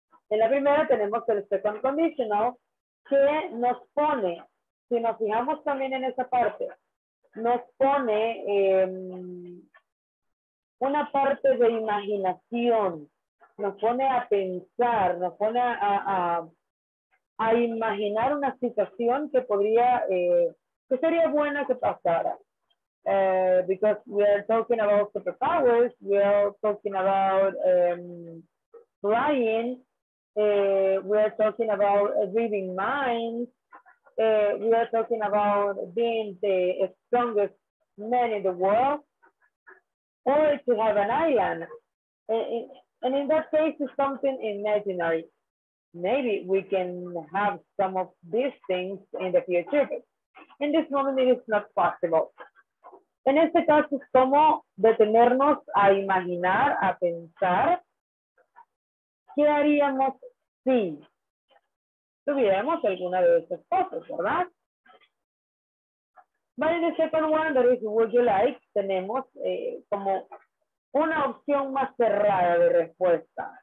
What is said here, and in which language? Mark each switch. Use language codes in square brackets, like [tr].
[es] En la primera tenemos el second conditional que nos pone, si nos fijamos también en esa parte, nos pone una parte de imaginación, nos pone a pensar, nos pone a imaginar una situación que podría, que sería buena que pasara. [en] Because we are talking about superpowers, we are talking about flying, we are talking about reading minds, we are talking about being the strongest man in the world, or to have an island. And in that case, it's something imaginary. Maybe we can have some of these things in the future, but in this moment, it is not possible. [es] En este caso, es como detenernos a imaginar, a pensar, ¿qué haríamos si tuviéramos alguna de esas cosas, verdad? [en] But in the second one, that is, would you like, [es] tenemos como una opción más cerrada de respuesta.